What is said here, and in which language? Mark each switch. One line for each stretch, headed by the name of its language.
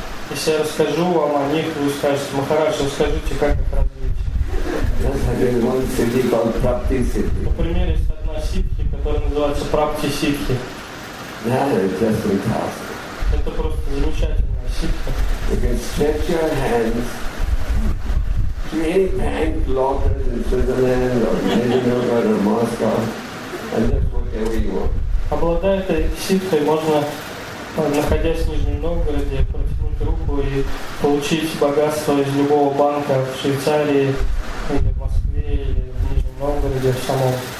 Russian: Если я расскажу вам о них, вы скажете: Махарадж, расскажите, как их развить. Например, есть одна ситхи, которая называется Прапти-ситхи. Это просто замечательная ситхи.
English: You can stretch your hands to any bank lockers in Switzerland or Denver or Moscow and just whatever you want.
Russian: Обладая этой ситхой, можно, находясь в Нижнем Новгороде, протянуть руку и получить богатство из любого банка в Швейцарии, или в Москве, или в Нижнем Новгороде, в самом.